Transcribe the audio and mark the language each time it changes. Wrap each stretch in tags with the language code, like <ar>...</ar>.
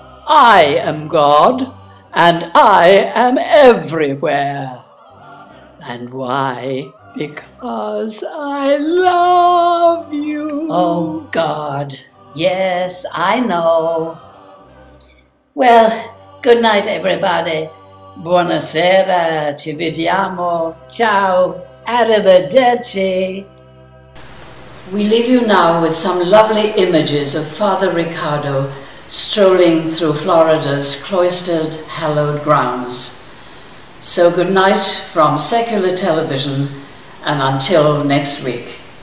<en>I am God, and I am everywhere. And why? Because I love you. Oh, God. Yes, I know. Well, good night, everybody.</en> <it>Buonasera, ci vediamo, ciao, arrivederci.</it> <en>We leave you now with some lovely images of Father Ricardo strolling through Florida's cloistered, hallowed grounds. So good night from secular television, and until next week.</en>